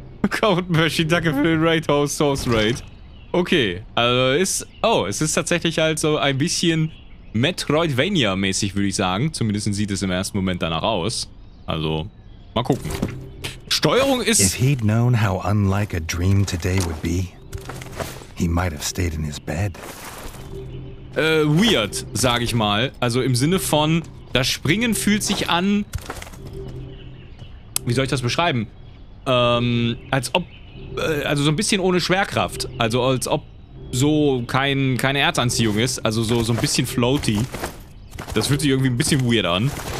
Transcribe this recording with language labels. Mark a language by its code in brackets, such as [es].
[de] Kautmöschi, danke für den Raid, Host, Host Raid. Okay, also ist... Oh, es ist tatsächlich halt so ein bisschen Metroidvania-mäßig, würde ich sagen. Zumindest sieht es im ersten Moment danach aus. Also, mal gucken. Steuerung ist... [en] If he'd known how unlike a dream today would be, he might have stayed in his bed. [de] Weird, sag ich mal. Also im Sinne von, das Springen fühlt sich an... Wie soll ich das beschreiben? Als ob... also so ein bisschen ohne Schwerkraft. Also als ob so keine Erdanziehung ist. Also so ein bisschen floaty. Das fühlt sich irgendwie ein bisschen weird an.